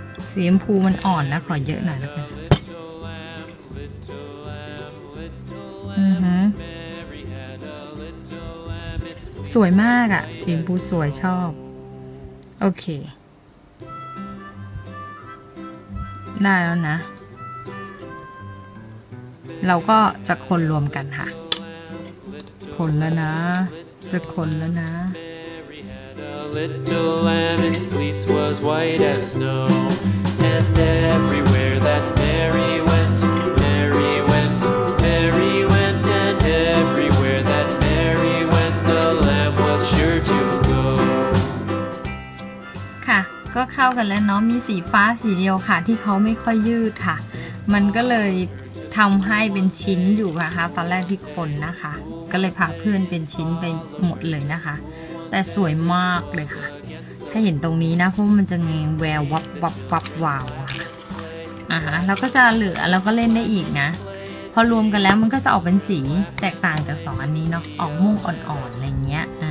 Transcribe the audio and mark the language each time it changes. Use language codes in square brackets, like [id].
[th] สีชมพูมันอ่อนนะขอเยอะหน่อยแล้วกันสวยมากอ่ะสีชมพูสวยชอบโอเคได้แล้วนะเราก็จะคนรวมกันค่ะคนแล้วนะจะคนแล้วนะ [en] Little lamb, its fleece was white as snow. And everywhere that Mary went, Mary went, Mary went. And everywhere that Mary went, the lamb was sure to go. [th] ค่ะก็เข้ากันแล้วเนาะมีสีฟ้าสีเดียวค่ะที่เขาไม่ค่อยยืดค่ะมันก็เลยทำให้เป็นชิ้นอยู่นะคะตอนแรกที่คนนะคะก็เลยพาเพื่อนเป็นชิ้นไปหมดเลยนะคะแต่สวยมากเลยค่ะถ้าเห็นตรงนี้นะเพราะมันจะเงยแวววับวับวับวาวอะฮะแล้วก็จะเหลือเราก็เล่นได้อีกนะพอรวมกันแล้วมันก็จะออกเป็นสีแตกต่างจากสองอันนี้เนาะออกม่วงอ่อนๆอะไรเงี้ย